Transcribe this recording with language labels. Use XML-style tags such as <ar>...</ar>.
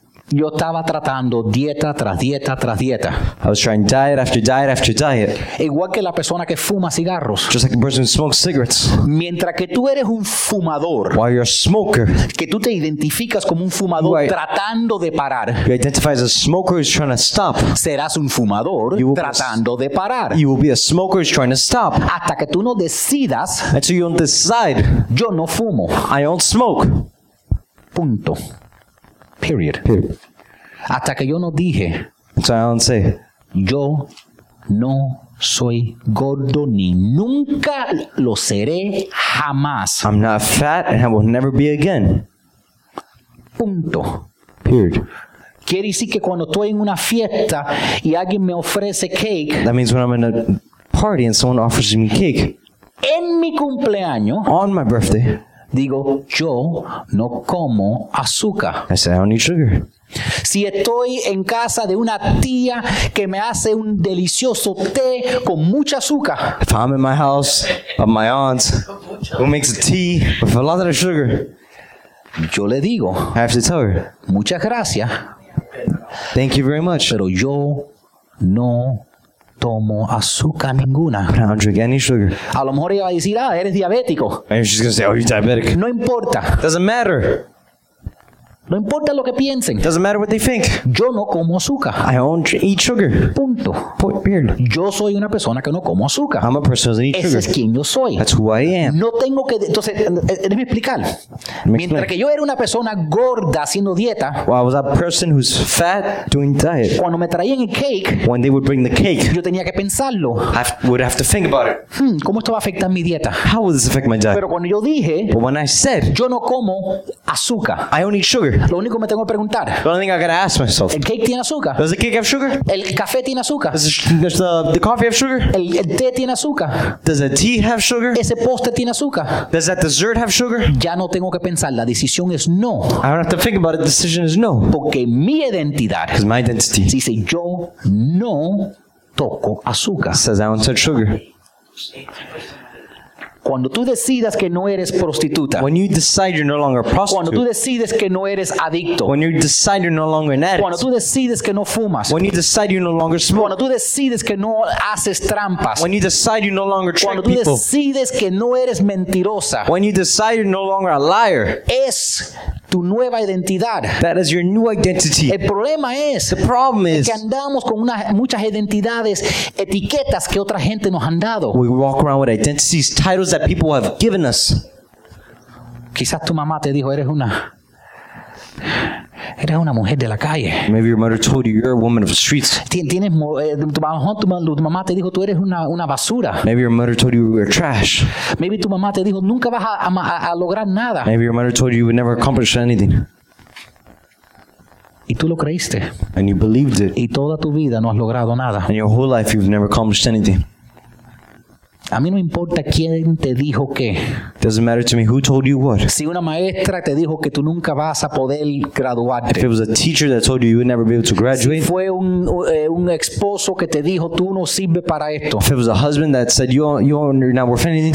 <es>Yo estaba tratando dieta tras dieta tras dieta.</es> <en>I was trying diet after diet after diet.</en> <es>Igual que la persona que fuma cigarros.</es> <en>Just like the person who smokes cigarettes.</en> <es>Mientras que tú eres un fumador.</es> <en>While you're a smoker.</en> <es>Que tú te identificas como un fumador tratando de parar.</es> <en>You identify as a smoker who's trying to stop.</en> <es>Serás un fumador tratando de parar.</es> <en>You will be a smoker who's trying to stop.</en> <es>Hasta que tú no decidas.</es> <en>Until you don't decide.</en> <es>Yo no fumo.</es> <en>I don't smoke.</en> <es>Punto.</es> <en>Period. Period.</en> <es>Hasta que yo no dije.</es> <en>So I don't say.</en> <es>Yo no soy gordo ni nunca lo seré jamás.</es> <en>I'm not fat and I will never be again.</en> <es>Punto.</es> <en>Period.</en> <es>Quiere decir que cuando estoy en una fiesta y alguien me ofrece cake.</es> <en>That means when I'm in a party and someone offers me cake.</en> <es>En mi cumpleaños.</es> <en>On my birthday.</en> <es>Digo, yo no como azúcar.</es> <en>I say, I don't eat sugar.</en> <es>Si estoy en casa de una tía que me hace un delicioso té con mucha azúcar.</es> <en>If I'm in my house of my aunt who makes a tea with a lot of sugar.</en> <es>Yo le digo.</es> <en>I have to tell her.</en> <es>Muchas gracias.</es> <en>Thank you very much.</en> <es>Pero yo no tomo azúcar ninguna.</es> <en>I don't drink any sugar.</en> <es>A lo mejor ella va a decir, ah, eres diabético.</es> <en>And she's going to say, oh, you're diabetic.</en> <es>No importa.</es> <en>Doesn't matter.</en> <es>No importa lo que piensen.</es> <en>Doesn't matter what they think.</en> <es>Yo no como azúcar.</es> <en>I don't eat sugar.</en> <es>Punto.</es> <en>Point, period.</en> <es>Yo soy una persona que no como azúcar.</es> <en>I'm a person who doesn't eat sugar.</en> <es>Ese es quien yo soy.</es> <en>That's who I am.</en> <es>No tengo que... Entonces, déjeme explicar. Mientras que yo era una persona gorda haciendo dieta...</es> <en>Well, I was a person who's fat doing diet.</en> <es>Cuando me traían el cake...</es> <en>When they would bring the cake...</en> <es>Yo tenía que pensarlo.</es> <en>Would have to think about it.</en> <es>¿Cómo esto va a afectar mi dieta?</es> <en>How will this affect my diet?</en> <es>Pero cuando yo dije...</es> <en>But when I said...</en> <es>Yo no como azúcar.</es> <en>I don't eat sugar.</en> <es>Lo único que me tengo que preguntar.</es> <en>The only thing I gotta ask myself.</en> <es>¿El cake tiene azúcar?</es> <en>Does the cake have sugar?</en> <es>¿El café tiene azúcar?</es> <en>Does the coffee have sugar?</en> <es>¿El té tiene azúcar?</es> <en>Does the tea have sugar?</en> <es>¿Ese postre tiene azúcar?</es> <en>Does that dessert have sugar?</en> <es>Ya no tengo que pensar. La decisión es no.</es> <en>I don't have to think about it. The decision is no.</en> <es>Porque mi identidad.</es> <en>Because my identity.</en> <es>Dice yo no toco azúcar.</es> <en>Says I don't touch sugar.</en> <es>Cuando tú decidas que no eres prostituta.</es> <en>When you decide you're no longer a prostitute.</en> <es>Cuando tú decides que no eres adicto.</es> <en>When you decide you're no longer an addict.</en> <es>Cuando tú decides que no fumas.</es> <en>When you decide you're no longer smoking.</en> <es>Cuando tú decides que no haces trampas.</es> <en>When you decide you're no longer trick people.</en> <es>Cuando tú decides que no eres mentirosa.</es> <en>When you decide you're no longer a liar.</en> <es>Es tu nueva identidad.</es> <en>That is your new identity.</en> <es>El problema es</es> <en>the problem is</en> <es>que andamos con muchas identidades, etiquetas que otra gente nos han dado.</es> <en>We walk around with identities, titles that people have given us.</en> <es>Quizás tu mamá te dijo eres una mujer de la calle.</es> <en>Maybe your mother told you you're a woman of the streets.</en> <es>Tu mamá te dijo tú eres una basura.</es> <en>Maybe your mother told you you're trash. Maybe</en> <es>tu mamá te dijo nunca vas a lograr nada.</es> <en>Maybe your mother told you you would never accomplish anything.</en> <es>Y tú lo creíste.</es> <en>And you believed it.</en> <es>Y toda tu vida no has logrado nada.</es> <en>And your whole life you've never accomplished anything.</en> <es>A mí no importa quién te dijo qué.</es> <en>Doesn't matter to me who told you what.</en> <es>Si una maestra te dijo que tú nunca vas a poder graduarte.</es> <en>If it was a teacher that told you you would never be able to graduate.</en> <es>Si fue un esposo que te dijo tú no sirves para esto.</es> <en>If it was a husband that said you're not worth anything.</en>